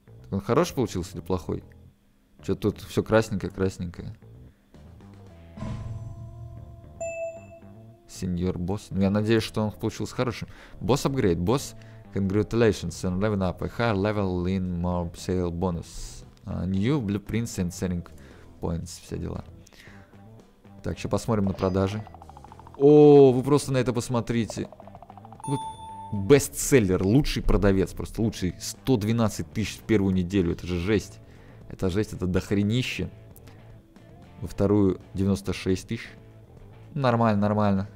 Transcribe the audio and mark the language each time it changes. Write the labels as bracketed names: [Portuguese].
[Russian] Он хорош получился или плохой? Что тут все красненькое. Сеньор босс. Ну я надеюсь, что он получился хорошим. Босс апгрейд. Босс. Congratulations. [English] And level up. A higher level in mob sale bonus. New blueprints and selling points. [Russian] Все дела. Так, сейчас посмотрим на продажи. О, вы просто на это посмотрите. Бестселлер, лучший продавец, просто лучший. 112 тысяч в первую неделю, это же жесть. Это жесть, это дохренище. Во вторую 96 тысяч. Нормально.